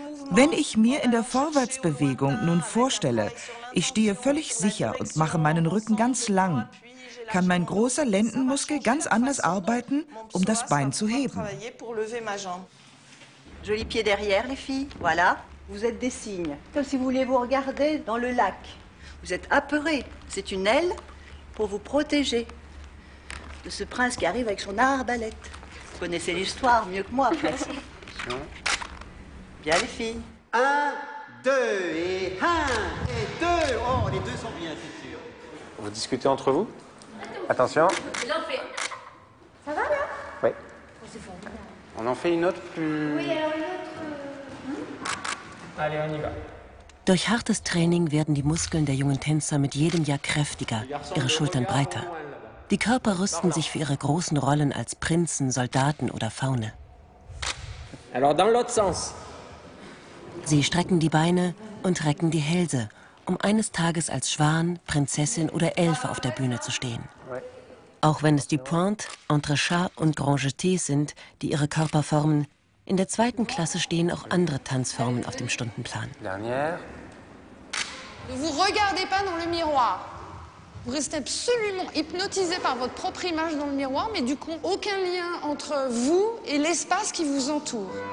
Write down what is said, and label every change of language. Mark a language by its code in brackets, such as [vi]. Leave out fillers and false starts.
[de] Wenn ich mir in der Vorwärtsbewegung nun vorstelle, ich stehe völlig sicher und mache meinen Rücken ganz lang, kann mein großer Lendenmuskel ganz anders arbeiten, um das Bein zu heben. [fr] Joli pied derrière, les filles. Voilà. Vous êtes des cygnes. Comme si vous vouliez vous regarder dans le lac. Vous êtes apeurés. C'est une aile pour vous protéger de ce prince qui arrive avec son arbalète. Vous connaissez l'histoire mieux que moi, presque. Bien, les filles. Un, deux, et un, et deux. Oh, les deux sont bien, c'est sûr. Vous discutez entre vous? Attention. J'en fais. Ça va, là? Oui. On en fait une autre plus... Oui, alors une autre... Allez, on y va. [de] Durch hartes Training werden die Muskeln der jungen Tänzer mit jedem Jahr kräftiger, ihre Schultern breiter. Die Körper rüsten sich für ihre großen Rollen als Prinzen, Soldaten oder Faune. Sie strecken die Beine und recken die Hälse, um eines Tages als Schwan, Prinzessin oder Elfe auf der Bühne zu stehen. Auch wenn es die Pointe, Entrechat und Grand Jeté sind, die ihre Körper formen, in der zweiten Klasse stehen auch andere Tanzformen auf dem Stundenplan. [fr] Dernière. Vous regardez pas dans le miroir. Vous restez absolument hypnotisé par votre propre image dans le miroir, mais du coup, aucun lien entre vous et l'espace qui vous entoure.